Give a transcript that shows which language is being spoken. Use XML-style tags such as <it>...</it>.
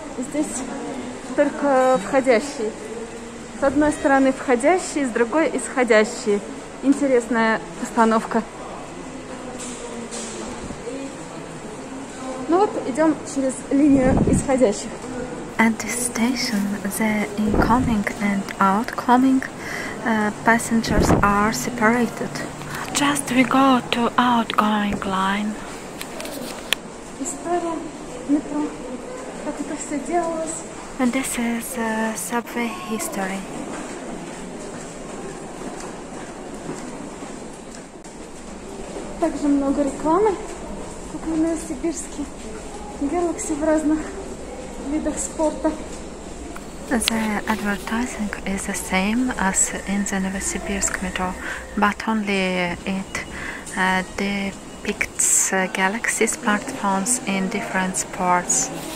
<ru>Здесь только входящий. С одной стороны входящий, с другой исходящий. Интересная постановка. Ну вот, идем через линию исходящих.</ru> <en>At this station, the incoming and outgoing passengers are separated. Just we go to outgoing line.</en> <ru>История метро. Как это все делалось?</ru> <en>And this is subway history.</en> <ru>Также много рекламы, как в Новосибирске. Galaxy в разных видах спорта.</ru> <en>The advertising is the same as in the Novosibirsk metro, but only it depicts Galaxy smartphones in different sports.</en>